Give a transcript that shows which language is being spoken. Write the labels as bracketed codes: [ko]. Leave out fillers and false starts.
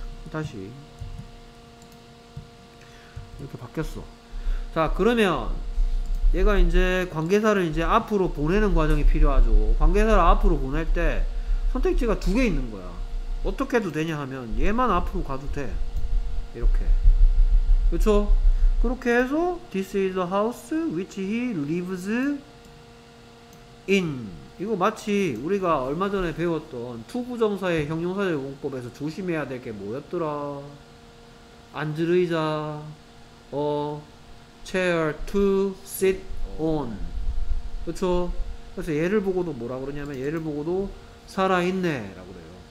[ko] 다시 이렇게 바뀌었어. 자, 그러면 얘가 이제 관계사를 이제 앞으로 보내는 과정이 필요하죠. 관계사를 앞으로 보낼 때 선택지가 두개 있는 거야. 어떻게 해도 되냐 하면 얘만 앞으로 가도 돼. 이렇게. 그렇죠? 그렇게 해서 [en] this is the house which he lives in. [ko] 이거 마치 우리가 얼마 전에 배웠던 to 부정사의 형용사적 용법에서 조심해야 될게 뭐였더라? 앉으리자. [en] chair to sit on. [ko] 그쵸? 그래서 얘를 보고도 뭐라 그러냐면 얘를 보고도 살아있네 라고 그래요.